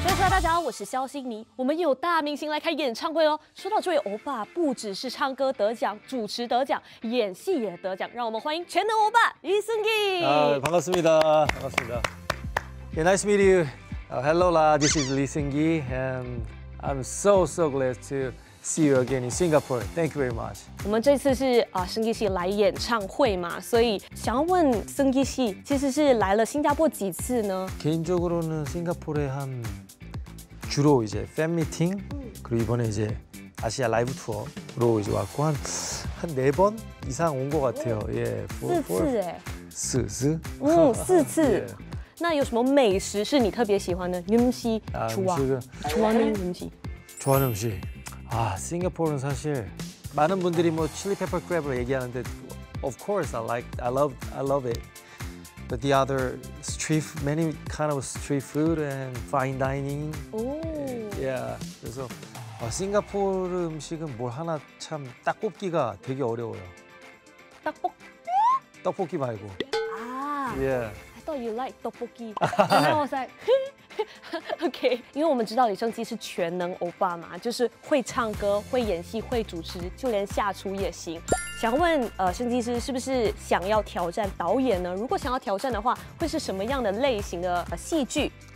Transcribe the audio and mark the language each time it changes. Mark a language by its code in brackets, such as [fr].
[zh] 大家好，我是萧歆霓，我们有大明星来开演唱会哦。说到这位欧巴，不只是唱歌得奖、主持得奖、演戏也得奖，让我们欢迎全能欧巴李昇基。 [ko] 반갑습니다 [en] Yeah, nice to meet you. Hello, this is 李昇基 and I'm so glad to see you again in Singapore. Thank you very much. [zh] 我们这次是昇基系来演唱会嘛，所以想要问昇基系，其实是来了新加坡几次呢？ [ko] 개인적으로는싱가포르에한주로이제팬미팅그리고이번에이제아시아라이브투어로이제왔고한네번이상온것같아요예 [zh] 4次那有什么美食是你特别喜欢的 [ko] 음식좋아좋아하는음식 좋아하는음식아싱가포르는사실많은분들이뭐칠리페퍼크랩을얘기하는데 [en] of course I love it. But the other street, many kind of street food and fine dining. Oh, yeah. [ko] 그래서싱가포르음식은뭘하나참딱꼽기가되게어려워요 떡볶이 떡볶이말고 아 [en] yeah. I thought you like 떡볶이 And I was like, okay. [zh] 因为我们知道李昇基是全能欧巴嘛，就是会唱歌、会演戏、会主持，就连下厨也行。想问昇基师是不是想要挑战导演呢？如果想要挑战的话，会是什么样的类型的戏剧？